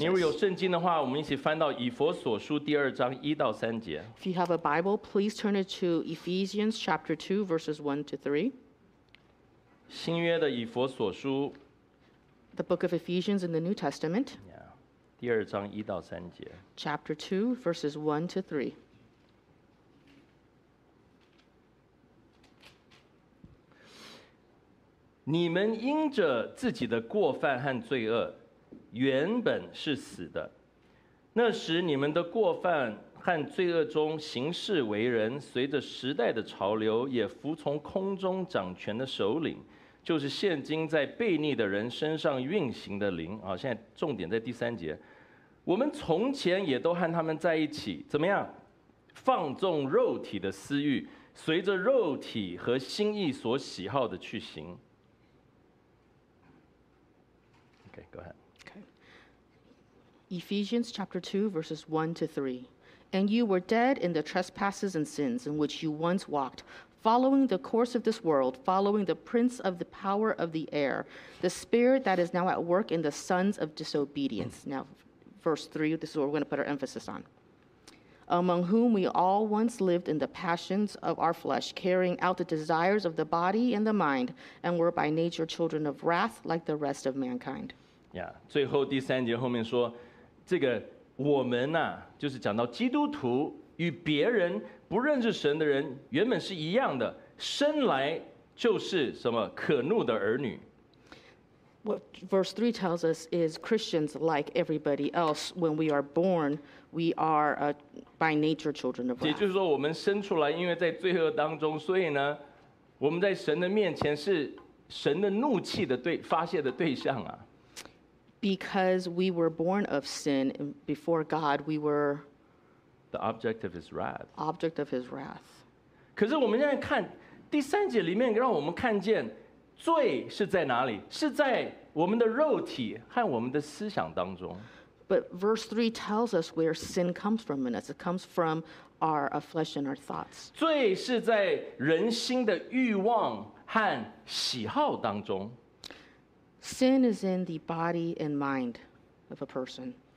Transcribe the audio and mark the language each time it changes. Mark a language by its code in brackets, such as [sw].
[zh] 你如果有圣经的话，我们一起翻到以弗所书第二章一到三节。 [en] If you have a Bible, please turn it to Ephesians chapter 2, verses 1 to 3. [zh] 新约的以弗所书。 [en] The book of Ephesians in the New Testament. [zh] Yeah, 第二章一到三节。 [en] Chapter 2, verses 1 to 3. [zh] 你们因着自己的过犯和罪恶，原本是死的。那时你们的过犯和罪恶中行事为人，随着时代的潮流，也服从空中掌权的首领，就是现今在悖逆的人身上运行的灵。现在重点在第三节。我们从前也都和他们在一起，怎么样？放纵肉体的私欲，随着肉体和心意所喜好的去行。 [en] Okay, go ahead. Okay. Ephesians chapter 2, verses 1 to 3. And you were dead in the trespasses and sins in which you once walked, following the course of this world, following the prince of the power of the air, the spirit that is now at work in the sons of disobedience. Now, verse 3, this is what we're going to put our emphasis on. Among whom we all once lived in the passions of our flesh, carrying out the desires of the body and the mind, and were by nature children of wrath like the rest of mankind. [zh] Yeah, 最后第三节后面说, 这个我们啊, 就是讲到基督徒, 与别人不认识神的人, 原本是一样的, 生来就是什么, 可怒的儿女。 [en] What verse 3 tells us is Christians, like everybody else, when we are born, we are by nature children of wrath. [zh] 也就是说我们生出来因为在罪恶当中, 所以呢, 我们在神的面前是神的怒气的对发泄的对象啊。 [en] Because we were born of sin, before God, we were the object of his wrath. Object of his wrath. [zh] 可是我们现在看第三节里面让我们看见 罪是在哪里？是在我们的肉体和我们的思想当中。 [en] But verse 3 tells us where sin comes from in us. It comes from our flesh and our thoughts. [zh] 罪是在人心的欲望和喜好当中。 [en] Sin is in the body and mind of a person.